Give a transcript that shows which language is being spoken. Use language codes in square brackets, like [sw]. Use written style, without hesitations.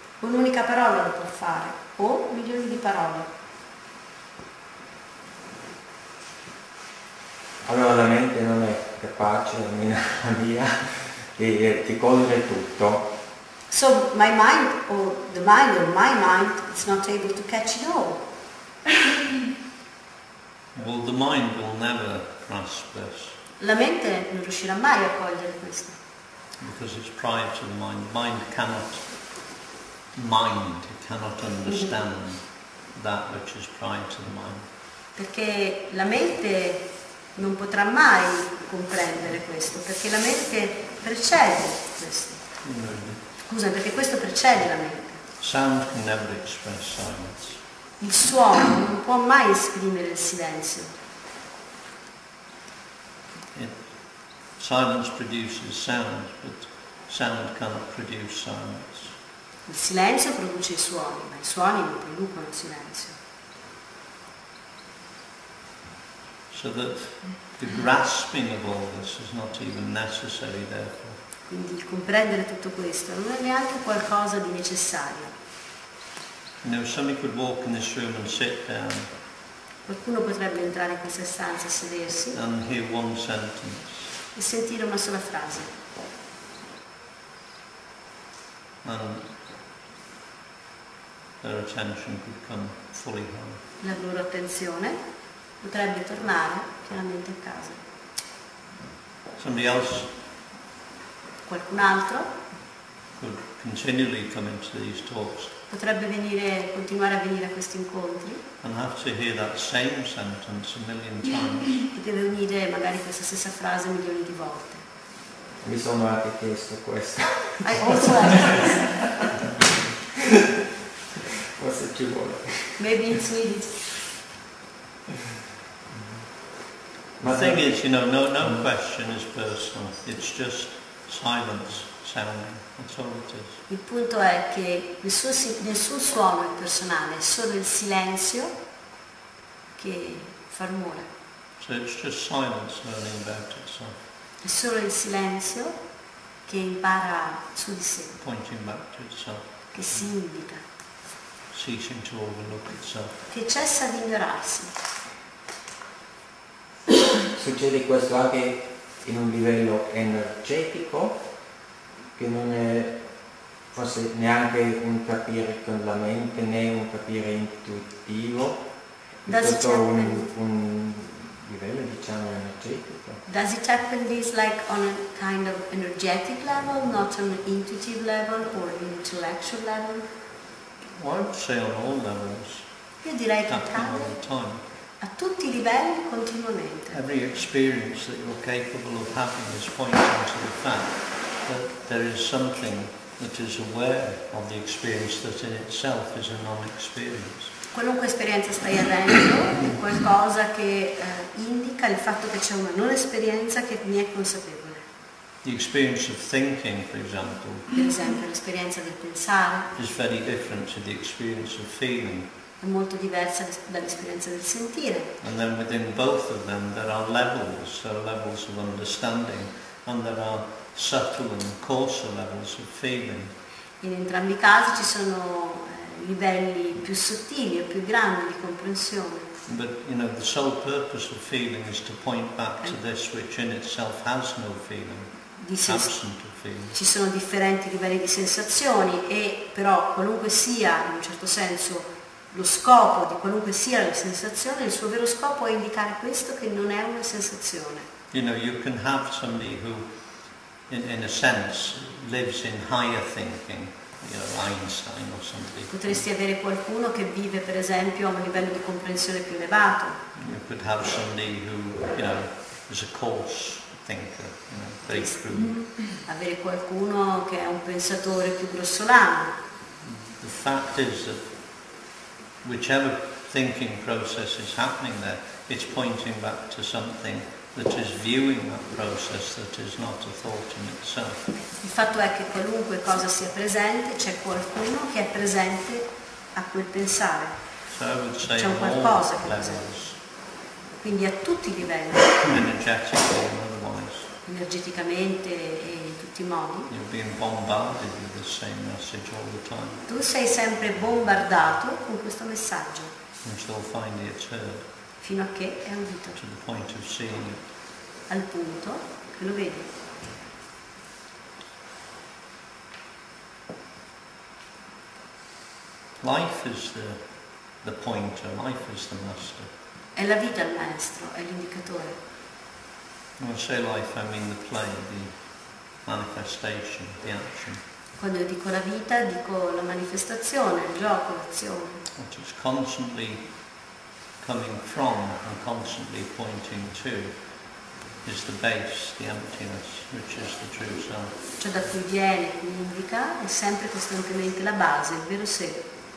[it] Un'unica parola lo può fare, o milioni di parole. Allora la mente non è capace, la mia, di cogliere tutto. [en] So my mind, or the mind, or my mind, is not able to catch it all. Well, the mind will never grasp this. [it] La mente non riuscirà mai a cogliere questo. [en] Because it's prior to the mind. Mind cannot mind, it cannot understand that which is prior to the mind. [it] Perché la mente non potrà mai comprendere questo, perché la mente precede questo. Scusa, perché questo precede la mente. [en] Sound can never express silence. [it] Il suono non può mai esprimere il silenzio. [en] Silence produces sound, but sound cannot produce silence. [it] Il silenzio produce i suoni, ma i suoni non producono il silenzio. [en] So that the grasping of all this is not even necessary, therefore. [it] Quindi il comprendere tutto questo non è neanche qualcosa di necessario. [en] You know, somebody could walk in this room and sit down. [it] Qualcuno potrebbe entrare in questa stanza e sedersi. [en] And hear one sentence. [it] e sentire una sola frase. [en] Their attention could come fully home. [it] La loro attenzione potrebbe tornare pienamente a casa. [en] Somebody else. [it] Qualcun altro. [en] Could continually come into these talks. [it] Potrebbe venire, continuare a venire a questi incontri. [en] And have to hear that same sentence a million times. [it] E deve unire magari questa stessa frase milioni di volte. Mi sono anche chiesto questo. [en] I also have this. [it] Forse ci vuole. [en] Maybe in Swedish. The thing is, you know, no question is personal. It's just silence, sounding. That's all it is. [it] Il punto è che nessun suono è personale, è solo il silenzio che fa rumore. [en] So it's just silence learning about itself. [it] È solo il silenzio che impara su di sé. [en] Pointing back to itself. [it] Che si indica. [en] Ceasing to overlook itself. [it] Che cessa di ignorarsi. Succede questo anche in un livello energetico, che non è forse neanche un capire con la mente, né un capire intuitivo, è tutto un livello, diciamo, energetico. [en] Does it happen this like on a kind of energetic level, not on an intuitive level or intellectual level? Well, I would say on all levels. [it] Io direi che [en] all the time. [it] A tutti I livelli continuamente. [en] Every experience that you're capable of having is pointing to the fact that there is something that is aware of the experience that in itself is a non-experience. [it] Qualunque esperienza stai avendo è qualcosa che indica il fatto che c'è una non-esperienza che ne è consapevole. [en] The experience of thinking, for example, [it] per esempio, l'esperienza del pensare [en] is very different to the experience of feeling. [it] È molto diversa dall'esperienza del sentire. [en] And then within both of them there are levels of understanding and there are subtle and coarser levels of feeling. [it] In entrambi I casi ci sono livelli più sottili o più grandi di comprensione. [en] But you know the sole purpose of feeling is to point back to this which in itself has no feeling. [it] Ci sono differenti livelli di sensazioni e però qualunque sia in un certo senso lo scopo di qualunque sia la sensazione, il suo vero scopo è indicare questo che non è una sensazione. [en] You know, you can have somebody who, in a sense, lives in higher thinking, you know, Einstein or somebody. [it] Potresti avere qualcuno che vive, per esempio, a un livello di comprensione più elevato. [en] You could have somebody who, you know, is a coarse thinker, you know, very crude. [it] Avere qualcuno che è un pensatore più grossolano. [en] The fact is that whichever thinking process is happening there, it's pointing back to something that is viewing that process that is not a thought in itself. [it] Il fatto è che qualunque cosa sia presente, c'è qualcuno che è presente a quel pensare. [en] So I would say [it] c'è un qualcosa che è presente. Quindi a tutti I livelli. [en] Energetically and otherwise. [it] Energeticamente e in tutti I modi. [en] You're being bombarded with the same message all the time. [it] Tu sei sempre bombardato con questo messaggio. [en] Until finally it's heard. [it] Fino a che è udito. [en] To the point of seeing it. [it] Al punto che lo vedi. [en] Life is the pointer. Life is the master. [it] È la vita il maestro, è l'indicatore. [en] When I say life, I mean the play, the manifestation, the action. [it] Quando io dico la vita, dico la manifestazione, il gioco, l'azione. [en] What is constantly coming from and constantly pointing to is the base, the emptiness, which is the true self. [it] Ciò da cui viene, cui indica, è sempre costantemente la base, il vero sé.